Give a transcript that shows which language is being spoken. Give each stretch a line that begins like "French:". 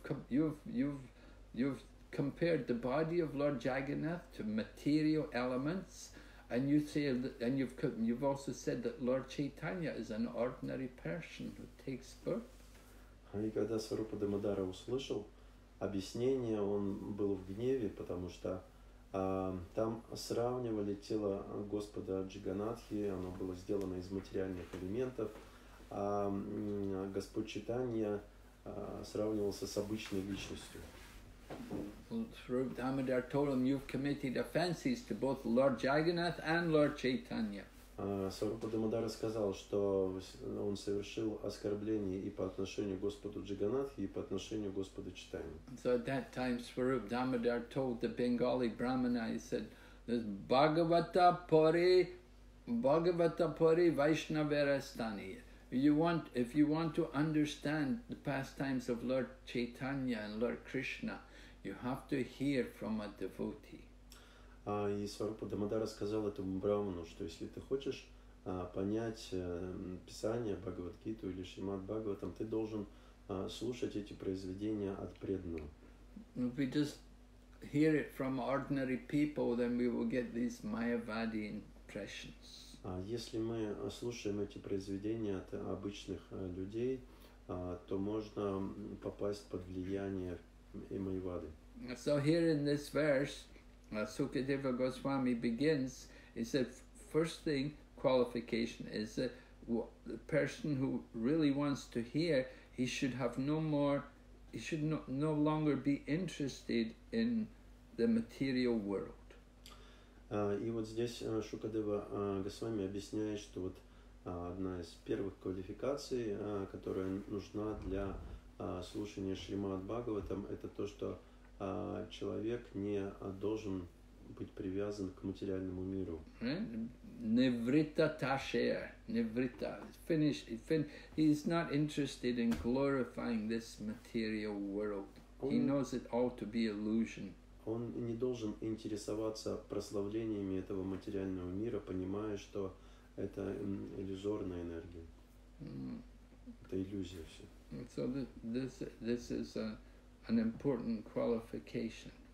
English: You've compared the body of Lord Jagannath to material elements. And you say, and you've also said that Lord Chaitanya is an ordinary person who takes birth.
Russian: И когда Сварупа Дамодара услышал объяснение, он был в гневе, потому что там сравнивали тело Господа Джаганнатхи, оно было сделано из материальных элементов, а Господь Чайтанья сравнивался с обычной личностью.
English: Swarup Damodar told him, you've committed offenses to both Lord Jagannath and Lord Chaitanya.
Russian: Сварупа Дамодара сказал, что он совершил оскорбление и по отношению к Господу Джаганнатхе, и по отношению к Господу Чайтанье.
English: So at that time Swarup Damodar told the Bengali Brahmana, he said, this
Sanskrit: Bhagavata Pari Vaishnaverastani.
English: If you want to understand the pastimes of Lord Chaitanya and Lord Krishna, you have to hear from a devotee.
Russian: И Сварупа Дамодара сказал этому брахману, что если ты хочешь понять писание Бхагавад-гиту или Шримад Бхагаватам, ты должен слушать эти произведения от преданного.
English: If we just hear it from ordinary people, then we will get these Mayavadi impressions.
Russian: Если мы слушаем эти произведения от обычных людей, то можно попасть под влияние Майявады.
English: So here in this verse, Sukadeva Goswami begins. He said, first thing qualification is that the person who really wants to hear, he should have no longer be interested in the material world.
Russian: И вот здесь Шукадева Госвами объясняет, что вот одна из первых квалификаций, которая нужна для слушания Шримад Бхагаватам, это то, что человек не должен быть привязан к материальному миру.
Sanskrit: Nivritta tashaya, nivritta.
English: He's not interested in glorifying this material world. He knows it all to be illusion.
Russian: Он не должен интересоваться прославлениями этого материального мира, понимая, что это иллюзорная энергия. Это иллюзия все.
English: So this is an important qualification.